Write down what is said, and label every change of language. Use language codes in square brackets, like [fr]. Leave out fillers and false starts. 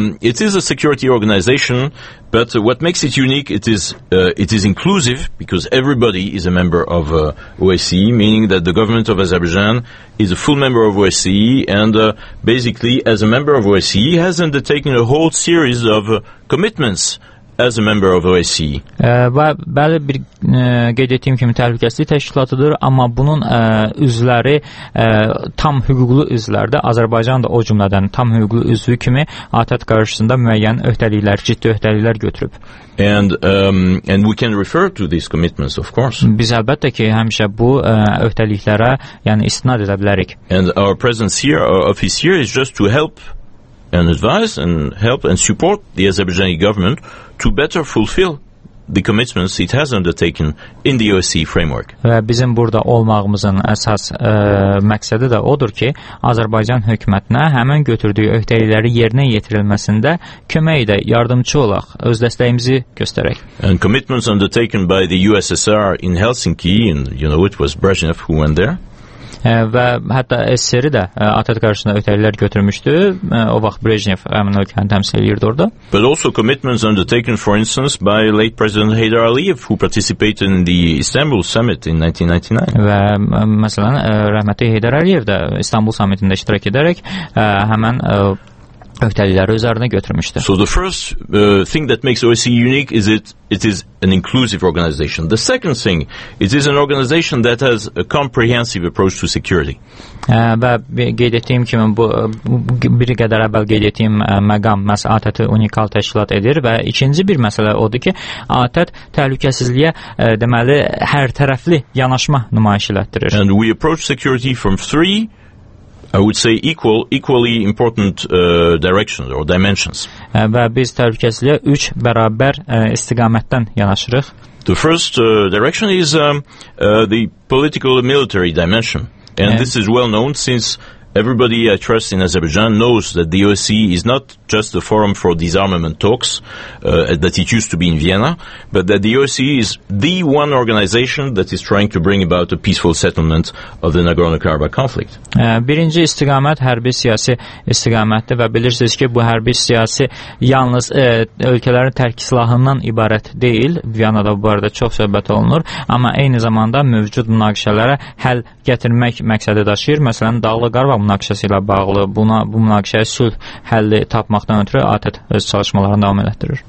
[en] It is a security organization, but what makes it unique, it is inclusive, because everybody is a member of OSCE, meaning that the government of Azerbaijan is a full member of OSCE, and basically as a member of OSCE has undertaken a whole series of commitments as a member of OSCE. [az] Bəli, bir qeyd etdiyim kimi təhlükəsizlik təşkilatıdır, amma bunun üzvləri tam hüquqlu üzvlərdir. Azərbaycan da o cümlədən tam hüquqlu üzvü kimi ATƏT qarşısında müəyyən öhdəliklər, ciddi öhdəliklər götürüb. [en] And we can refer to these commitments, of course. [az] Biz əlbəttə ki, həmişə bu öhdəliklərə, yəni istinad edə bilərik. [en] And our presence here, our office here is just to help and advise and help and support the Azerbaijani government to better fulfill the commitments it has undertaken in the OSCE framework. [az] Və bizim burada olmağımızın əsas məqsədi də odur ki, Azərbaycan hökumətinə həmin götürdüyü öhdəlikləri yerinə yetirilməsində kömək edək, yardımçı olaq, öz dəstəyimizi göstərək. [en] And commitments undertaken by the USSR in Helsinki, and you know, it was Brezhnev who went there. [az] Və hətta SSR-i də ATƏT qarşısında öhdəliklər götürmüşdü. O vaxt Brezhnev həmin ölkəni təmsil edirdi orada. [en] But also commitments undertaken, for instance, by late President Heydar Aliyev, who participated in the Istanbul Summit in 1999. [az] Və məsələn, rəhmətli Heydar Aliyev də İstanbul Summitində iştirak edərək həmin öhdəlikləri üzərinə götürmüşdü. [en] So the first thing that makes OSCE unique is it is an inclusive organization. The second thing, it is an organization that has a comprehensive approach to security. [az] Və qeyd etdiyim kimi, bir qədər əvvəl qeyd etdiyim məqam, məhz ATƏT-i unikal təşkilat edir və ikinci bir məsələ odur ki, ATƏT təhlükəsizliyə, deməli, hər tərəfli yanaşma nümayiş elətdirir. [en] And we approach security from three, I would say, equally important directions or dimensions. [az] Və biz təhlükəsizliyə üç bərabər istiqamətdən yanaşırıq. [en] The first direction is the political and military dimension. And this is well known, since everybody I trust in Azerbaijan knows that the OSCE is not just a forum for disarmament talks that it used to be in Vienna, but that the OSCE is the one organization that is trying to bring about a peaceful settlement of the Nagorno-Karabakh conflict. [az] Birinci istiqamət hərbi siyasi istiqamətdir və bilirsiniz ki, bu hərbi siyasi yalnız ölkələrin tərk silahından ibarət deyil. Vienna'da bu arada çox söhbət olunur, amma eyni zamanda mövcud münaqişələrə həll gətirmək məqsədi daşıyır. Məsələn, Dağlı Qarabağ münaqişəsi ilə bağlı bu münaqişəyə sülh həlli tapmaqdan ötürü ATƏT öz çalışmalarını davam elətdirir.